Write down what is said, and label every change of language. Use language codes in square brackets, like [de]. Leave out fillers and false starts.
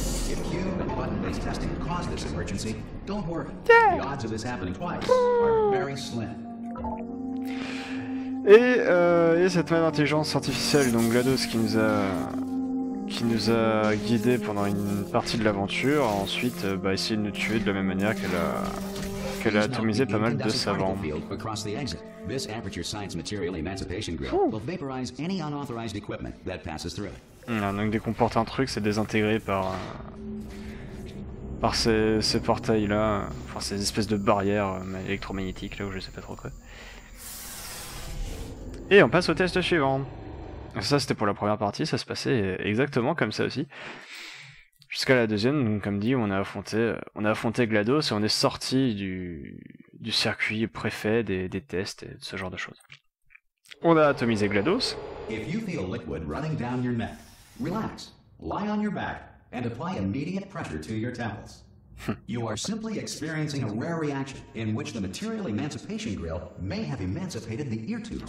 [en] If cube and button-based testing cause this emergency, don't worry. The odds of this happening twice are very slim. [fr] Et cette même intelligence artificielle, donc GLaDOS, qui nous a guidés pendant une partie de l'aventure, ensuite essayer de nous tuer de la même manière qu'elle a atomisé pas mal de savants. [en] This aperture science material emancipation grid will vaporize any unauthorized equipment that passes through. [fr] Donc dès qu'on porte un truc, c'est désintégré par par ces portails là, enfin ces espèces de barrières électromagnétiques là où je sais pas trop quoi. Et on passe au test suivant. Ça c'était pour la première partie, ça se passait exactement comme ça aussi. Jusqu'à la deuxième, donc comme dit, on a affronté GLaDOS et on est sorti du circuit préfet des tests et de ce genre de choses. On a atomisé GLaDOS. [en] If you feel liquid running down your neck, relax, lie on your back, and apply immediate pressure to your temples. You are simply experiencing a rare reaction in which the material emancipation grill may have emancipated the ear tubes.